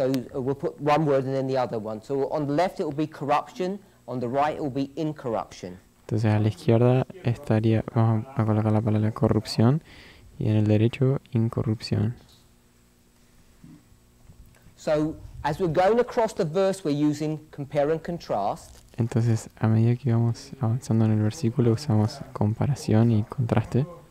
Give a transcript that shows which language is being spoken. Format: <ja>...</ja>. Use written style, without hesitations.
<en>those, we'll put one word and then the other one. So on the left it will be corruption, on the right it will be incorruption.</en> <es>Entonces a la izquierda estaría, vamos a colocar la palabra corrupción, y en el derecho incorrupción.</es> <en>So as we're going across the verse, we're using compare and contrast.</en> <es>Entonces a medida que vamos avanzando en el versículo usamos comparación y contraste.</es>